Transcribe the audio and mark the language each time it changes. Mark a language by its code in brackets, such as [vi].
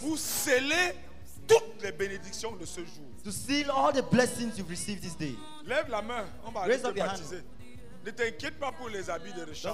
[fr] Vous scellez toutes les bénédictions de ce jour. [en] To seal all the blessings you've received this day. [fr] Lève la main, on va aller te baptiser. Ne t'inquiète pas pour les habits de recharge.